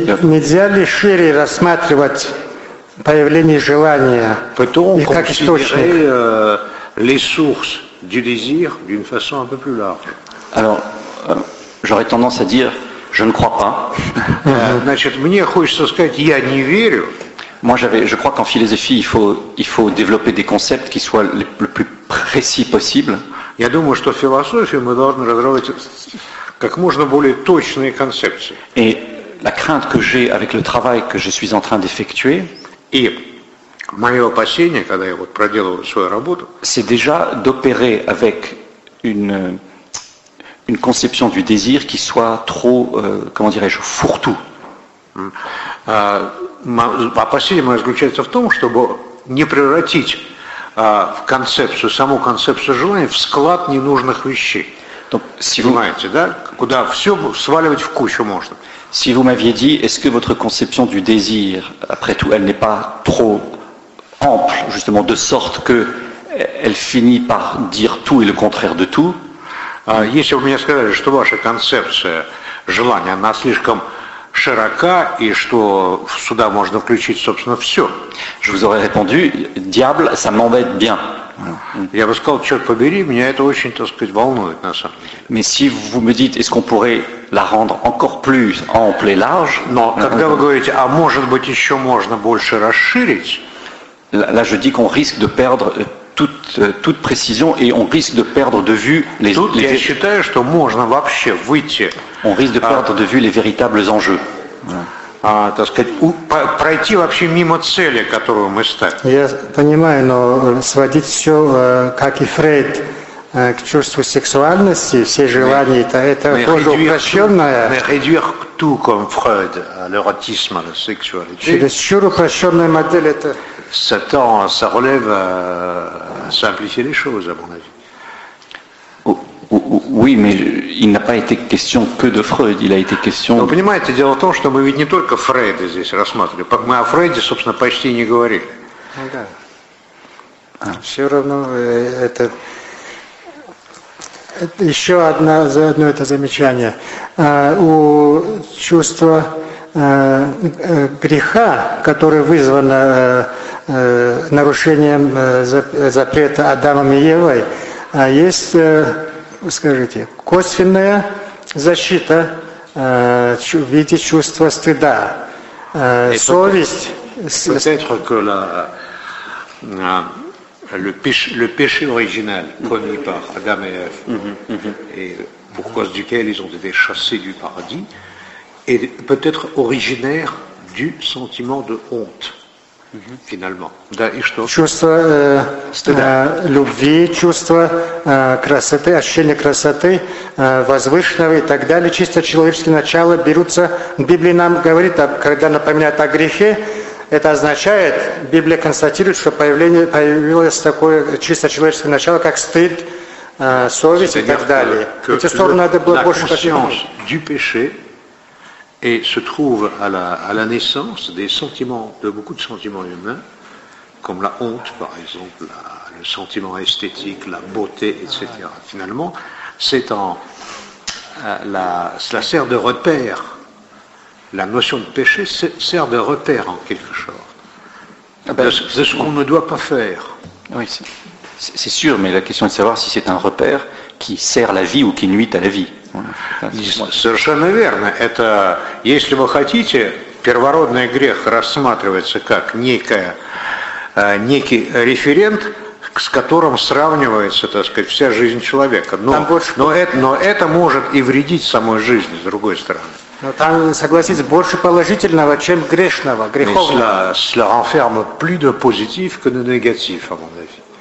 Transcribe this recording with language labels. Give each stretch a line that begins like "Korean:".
Russian: Нельзя ли шире рассматривать появление желания?
French: Peut-on considérer les sources du désir d'une façon un peu plus large? Alors, j'aurais tendance à dire, je ne crois pas.
Russian: Значит, мне хочется сказать, я не верю.
French: Moi, je crois qu'en philosophie, il faut développer des concepts qui soient le plus précis possible.
Russian: Я думаю, что в философии мы должны разработать как можно более точные концепции.
French: Et la crainte que j'ai avec le travail que je suis en train d'effectuer, et
Russian: мое опасение, когда я вот проделываю свою работу,
French: c'est déjà d'opérer avec une conception du désir qui soit trop, comment dirais-je, fourre-tout.
Russian: Опасение мое заключается в том, чтобы не превратить в концепцию, саму концепцию желания в склад ненужных вещей.
French: Donc, si
Russian: понимаете,
French: vous...
Russian: да? Куда все сваливать в кучу можно.
French: Si vous m'aviez dit, est-ce que votre conception du désir, après tout, elle n'est pas trop ample, justement, de sorte qu'elle finit par dire tout et le contraire de tout?
Russian: Если бы мне сказали, что ваша концепция желания, она слишком... широка и что сюда можно включить, собственно, все.
French: Je vous aurais répondu, diable, ça m'embête bien.
Russian: Я бы сказал, черт побери, меня это очень, так сказать, волнует на самом деле.
French: Mais si vous me dites, est-ce qu'on pourrait la rendre encore plus ample et large?
Russian: Но когда вы говорите, а может быть еще можно больше расширить?
French: Là, je dis qu'on risque de perdre toute précision et on risque de perdre de vue les.
Russian: Тут я считаю, что можно вообще выйти.
French: On risque de perdre de vue les véritables enjeux.
Russian: Так сказать, пройти вообще мимо цели, которую мы ставим. Я понимаю, но сводить все, как и Фрейд, к чувству сексуальности, все желания, это тоже упрощенное.
French: Mais réduire tout comme Freud, l'érotisme, la sexualité.
Russian: Чересчур упрощенная модель это.
French: Ça relève à simplifier les choses, à mon avis. Oui, mais il n'a pas été question que de Freud, il a été question... Vous
Russian: понимаете, дело в том, что мы ведь не только Фрейда здесь рассматривали, мы о Фрейде, собственно, почти не говорили. Да. Все равно это... Еще одно это замечание. У чувства греха, которое вызвано нарушением запрета Адамом и Евой, есть... Скажите, косвенная защита в виде чувства стыда, совесть.
French: Peut-être que le péché original commis par Adam et Ève, et pour cause duquel ils ont été chassés du paradis, est peut-être originaire du sentiment de honte. Finalement.
Russian: Да, и что? Чувство любви, чувство красоты, ощущение красоты, возвышенного и так далее. Чисто человеческие начала берутся. Библия нам говорит, когда напоминает о грехе, это означает, Библия констатирует, что появилось такое чисто человеческое начало, как стыд, совесть
French: C'est-à-dire
Russian: и так далее.
French: Que
Russian: эти стороны надо было больше подчеркнуть.
French: Et se trouve à la naissance des sentiments, de beaucoup de sentiments humains, comme la honte, par exemple, le sentiment esthétique, la beauté, etc. Finalement, cela sert de repère. la notion de péché sert de repère en quelque sorte, de ce qu'on ne doit pas faire. Oui, c'est sûr, mais la question est de savoir si c'est un repère qui sert la vie ou qui nuit à la vie.
Russian: Совершенно верно. Это, если вы хотите, первородный грех рассматривается как некий референт, с которым сравнивается, так сказать, вся жизнь человека. Но это может и вредить самой жизни, с другой стороны. Но там, согласитесь, больше положительного, чем грешного, греховного.
French: Cela renferme plus de positif que de négatif, à mon avis.